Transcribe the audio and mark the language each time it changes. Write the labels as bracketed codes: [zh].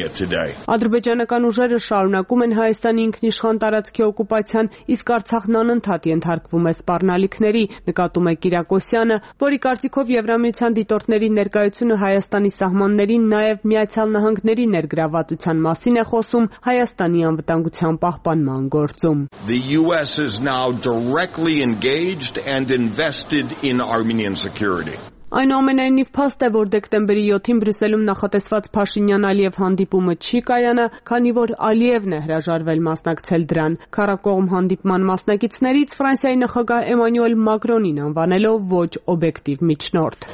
[hy] Ադրբեջանական ուժերը շարունակում են Հայաստանի ինքնիշխան տարածքի օկուպացիան, իսկ Արցախն անընդհատ ենթարկվում է սպառնալիքների, նկատում է Կիրակոսյանը, որի կարծիքով Եվրամիության դիտորդների ներկայությունը Հայաստանի սահմաններին նաև Միացյալ Նահանգների ներգրավվածության մասին է խոսում Հայաստանի անվտանգության պահպանման գործում։ [en] The US is now directly engaged and invested in Armenian security. [hy] Այնուամենայնիվ փաստ է, որ դեկտեմբերի 7-ին Բրյուսելում նախատեսված Փաշինյան-Ալիև հանդիպումը չի կայանա, քանի որ Ալիևն է հրաժարվել մասնակցել դրան։ Քարակողմ հանդիպման մասնակիցներից Ֆրանսիայի նախագահ Էմանուել Մակրոնին անվանելով ոչ օբյեկտիվ միջնորդ։